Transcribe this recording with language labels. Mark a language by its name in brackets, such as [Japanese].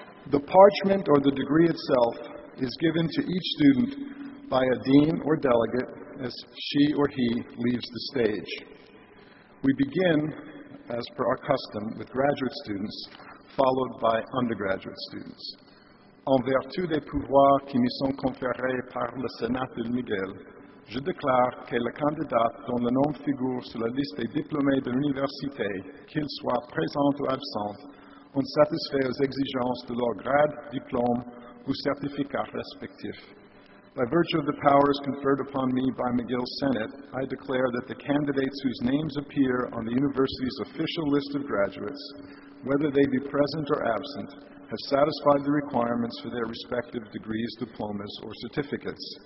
[English] The parchment or the degree itself is given to each student by a dean or delegate as she or he leaves the stage. We begin, as per our custom, with graduate students, followed by undergraduate students. [French] En vertu des pouvoirs qui me sont conférés par le Sénat de Miguel, je déclare que le candidat dont le nom figure sur la liste des diplômés de l'université, qu'il soit présent ou absent, ont satisfait aux exigences de leur grade, diplôme ou certificat respectif. [English] By virtue of the powers conferred upon me by McGill Senate, I declare that the candidates whose names appear on the university's official list of graduates, whether they be present or absent, have satisfied the requirements for their respective degrees, diplomas, or certificates.